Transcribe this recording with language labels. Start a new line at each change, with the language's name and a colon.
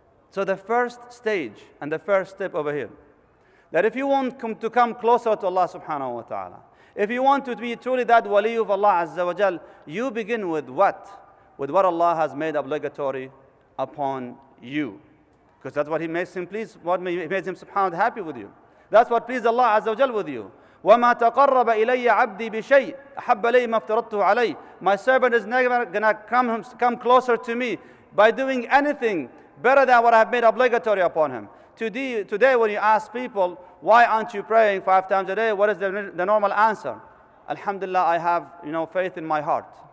English: So the first stage and the first step over here, that if you want to come closer to Allah subhanahu wa ta'ala, if you want to be truly that wali of Allah Azza wa Jal, you begin with what? With what Allah has made obligatory upon you. Because that's what He makes Him pleased, what He made Him subhanahu wa ta'ala happy with you. That's what pleased Allah Azza wa Jal with you.
Arabic: وما تقرب إلي عبدي بشيء أحب لي ما افترضته عليه.
English: My servant is never gonna come closer to me by doing anything better than what I have made obligatory upon him. Today, when you ask people, why aren't you praying five times a day? What is the normal answer? Alhamdulillah, I have, you know, faith in my heart.